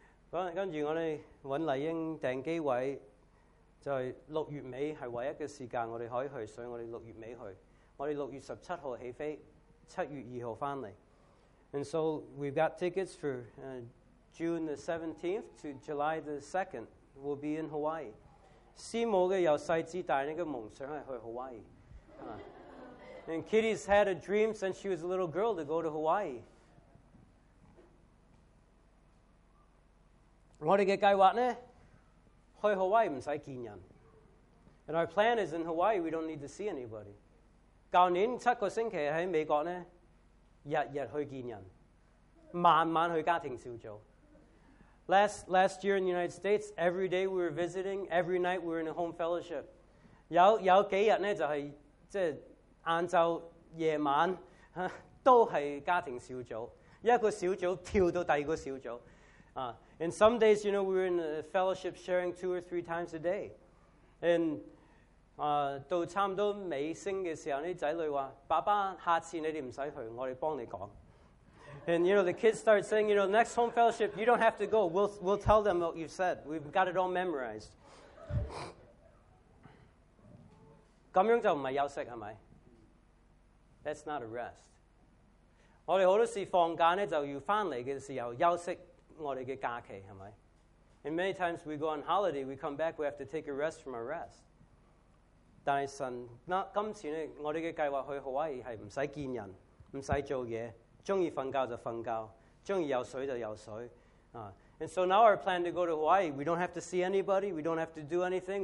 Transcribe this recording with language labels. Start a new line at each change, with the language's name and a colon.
Cantonese: 跟住我哋揾麗英訂機位。就係六月尾係唯一嘅時間，我哋可以去，所以我哋六月尾去。我哋六月十七號起飛，七月二號翻嚟。
English: And so we've got tickets for June the 17th to July the 2nd. We'll be in Hawaii.
Cantonese: 師母嘅由細至大呢個夢想係去 Hawaii。
English: And Kitty's had a dream since she was a little girl to go to Hawaii.
Cantonese: 我哋嘅計劃呢？去 Hawaii 唔使見人
English: ，and our plan is in Hawaii we don't need to see anybody。
Cantonese: 舊年七個星期喺美國咧，日日去見人，晚晚去家庭小組。
English: Last year in the United States, every day we were visiting, every night we were in a home fellowship。
Cantonese: 有幾日咧就係即係晏晝夜晚都係家庭小組，一個小組跳到第二個小組。
English: And some days, you know, we were in a fellowship sharing two or three times a day. And
Cantonese: 到差唔多尾聲嘅時候，啲仔女話：爸爸，下次你哋唔使去，我哋幫你講。
English: And you know, the kids start saying, you know, next home fellowship, you don't have to go. We'll tell them what you've said. We've got it all memorized.
Cantonese: 咁樣就唔係休息係咪
English: ？That's not a rest.
Cantonese: 我哋好多時放假咧，就要翻嚟嘅時候休息。我哋嘅假期係咪
English: ？And many times we go on holiday, we come back, we have to take a rest from our rest.
Cantonese: 但係神，嗱今次咧，我哋嘅計劃去 Hawaii 係唔使見人，唔使做嘢，中意瞓覺就瞓覺，中意游水就游水啊。
English: And so now our plan to go to Hawaii, we don't have to see anybody, we don't have to do anything.